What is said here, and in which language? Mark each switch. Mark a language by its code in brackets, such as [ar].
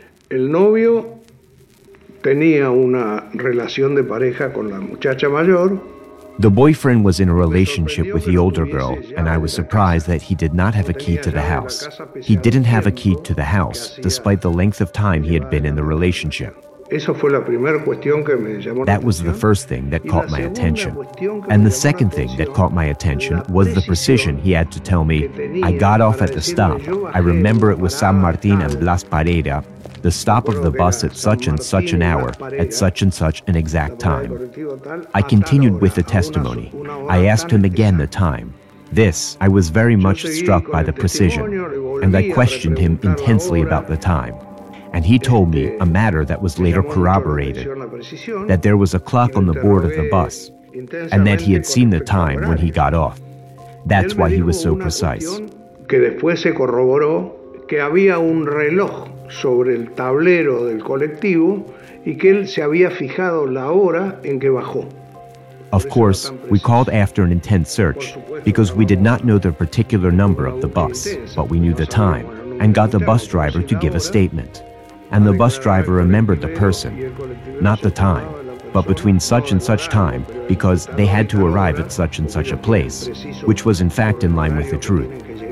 [es] El novio tenía una relación de pareja con la muchacha mayor. [en] The boyfriend was in a relationship with the older girl, and I was surprised that he did not have a key to the house. He didn't have a key to the house, despite the length of time he had been in the relationship. That was the first thing that caught my attention. And the second thing that caught my attention was the precision he had to tell me, I got off at the stop. I remember it was San Martin and Blas Pareda, the stop of the bus at such and such an hour, at such and such an exact time. I continued with the testimony. I asked him again the time. This, I was very much struck by the precision, and I questioned him intensely about the time. And he told me a matter that was later corroborated, that there was a clock on the board of the bus, and that he had seen the time when he got off. That's why he was so precise. [es] Que después se corroboró que había un reloj sobre el tablero del colectivo y que él se había fijado la hora en que bajó. [en] Of course, we called after an intense search because we did not know the particular number of the bus, but we knew the time and got the bus driver to give a statement. And the bus driver remembered the person, not the time, but between such and such time, because they had to arrive at such and such a place, which was in fact in line with the truth.